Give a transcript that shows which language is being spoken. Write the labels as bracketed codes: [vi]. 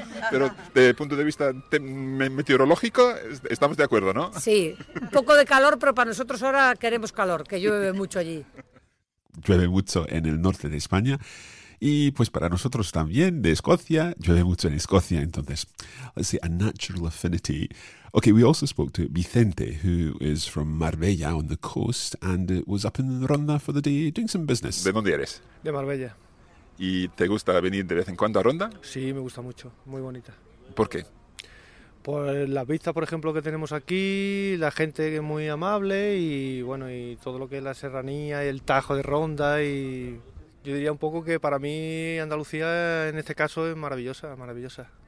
[es] Pero desde el punto de vista meteorológico, estamos de acuerdo, ¿no? Sí, un poco de calor, pero para nosotros ahora queremos calor, que llueve mucho allí. Llueve mucho en el norte de España. Y pues para nosotros también, de Escocia, llueve mucho en Escocia, entonces, [en] let's see, a natural affinity. Okay, we also spoke to Vicente, who is from Marbella on the coast, and was up in Ronda for the day doing some business. [es] ¿De dónde eres? De Marbella. ¿Y te gusta venir de vez en cuando a Ronda? Sí, me gusta mucho, muy bonita. ¿Por qué? Por las vistas, por ejemplo, que tenemos aquí, la gente que es muy amable y, bueno, y todo lo que es la serranía y el Tajo de Ronda y... Yo diría un poco que para mí Andalucía en este caso es maravillosa, maravillosa.